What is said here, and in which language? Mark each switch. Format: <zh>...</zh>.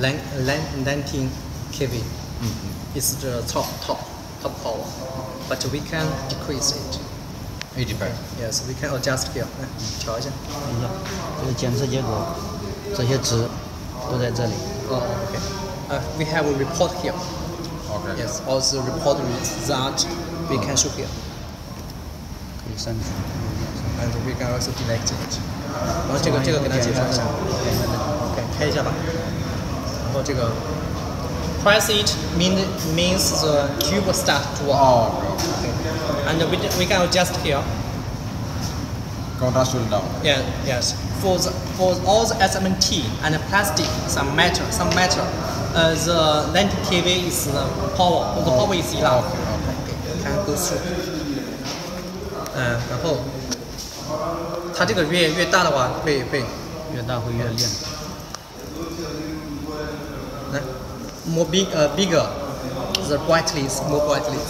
<en>19 kV。嗯嗯。 It's the top power， but we can decrease it。 85。 Yes， we can adjust here。</en> <zh>来，调一下。等一下，这个检测结果，这些值都在这里。</zh> <en>OK。 We have a report here。 Okay. Yes, all the report is that we can show here.</en> <zh>可以删除。</zh> <en>And we can also delete it.</en> <zh>然后这个给他解释一下。</zh> <en>OK，</en> <zh>开一下吧。然后这个</zh> <en>press it means the cube start to work. Oh, okay. And we can adjust here. Go down, down. Yeah, yes. For all the SMT and plastic, some metal. The 90 kV is the power. The power is 11. Okay, go through.</en> <zh>然后它这个越大的话，会越大会越亮。</zh> <en>来 ，more big, bigger, the brightly, more brightly.</en>